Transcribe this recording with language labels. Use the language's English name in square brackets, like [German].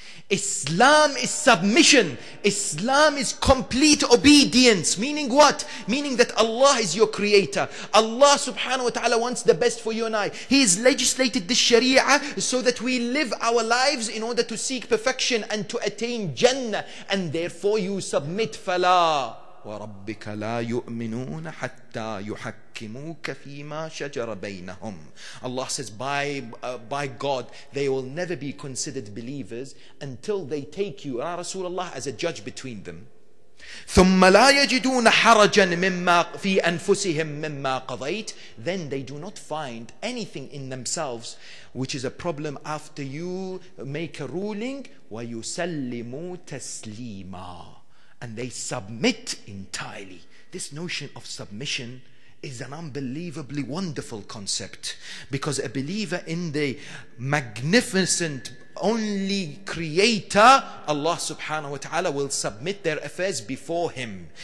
[English] Islam is submission. Islam is complete obedience. Meaning what? Meaning that Allah is your creator. Allah subhanahu wa ta'ala wants the best for you and I. He has legislated the sharia so that we live our lives in order to seek perfection and to attain Jannah. And therefore you submit. [Arabic] Fala وربك لا يؤمنون حتى يحكموك فيما شجر بينهم. [English] Allah says, by God, they will never be considered believers until they take you, Ya Rasulullah, as a judge between them. [Arabic] ثم لا يجدون حرجا مما في أنفسهم مما قضيت. [English] Then they do not find anything in themselves which is a problem after you make a ruling. [Arabic] ويسلموا تسليما. [English] And they submit entirely. This notion of submission is an unbelievably wonderful concept, because a believer in the magnificent only creator, Allah subhanahu wa ta'ala, will submit their affairs before Him.